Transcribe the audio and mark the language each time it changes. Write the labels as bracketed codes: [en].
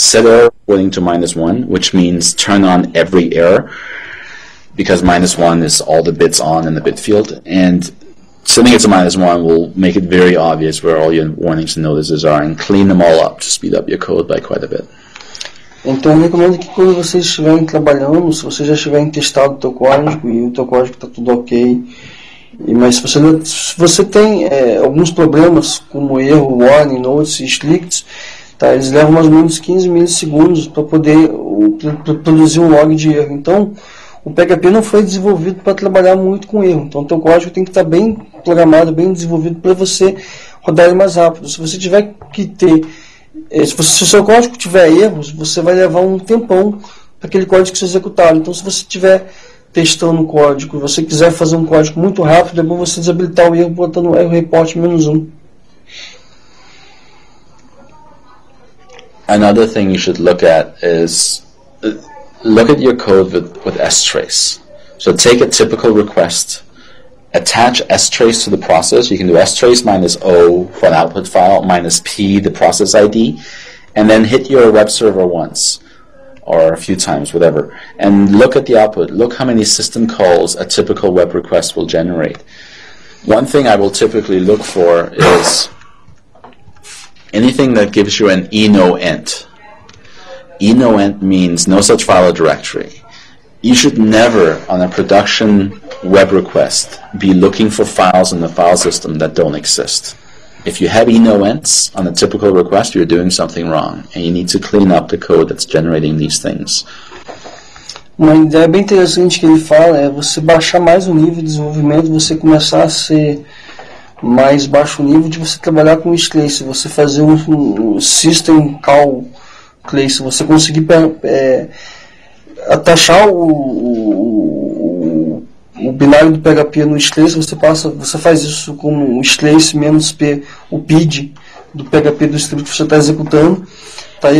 [en] Set error reporting to -1, which means turn on every error, because -1 is all the bits on in the bit field. And setting it to -1 will make it very obvious where all your warnings and notices are and clean them all up to speed up your code by quite a bit. [pt] Então eu recomendo que quando vocês estiverem trabalhando, se vocês já estiverem testado o teu código e o teu código está tudo ok, mas se você tem alguns problemas como erro, warning, notes e stricts, tá, eles levam mais ou menos 15 milissegundos para poder produzir um log de erro. Então o PHP não foi desenvolvido para trabalhar muito com erro, então o teu código tem que estar bem programado, bem desenvolvido para você rodar ele mais rápido. Se você tiver que ter... Se o seu código tiver erros, você vai levar um tempão para aquele código ser executado. Então, se você estiver testando o código e você quiser fazer um código muito rápido, é bom você desabilitar o erro botando erro report -1. [en] Another thing you should look at is look at your code with strace. So take a typical request, attach strace to the process. You can do strace -o for an output file, -p the process ID, and then hit your web server once or a few times, whatever, and look at the output. Look how many system calls a typical web request will generate. One thing I will typically look for is anything that gives you an enoent. Enoent means no such file or directory. You should never, on a production web request, be looking for files in the file system that don't exist. If you have enoents on a typical request, you're doing something wrong, and you need to clean up the code that's generating these things. [pt] Uma ideia bem interessante que ele fala é você baixar mais o nível de desenvolvimento, você começar a ser mais baixo nível, de você trabalhar com strace, você fazer um system call strace, você conseguir atachar o binário do PHP no strace, você faz isso com o strace menos p, o PID do PHP do script que você está executando, tá?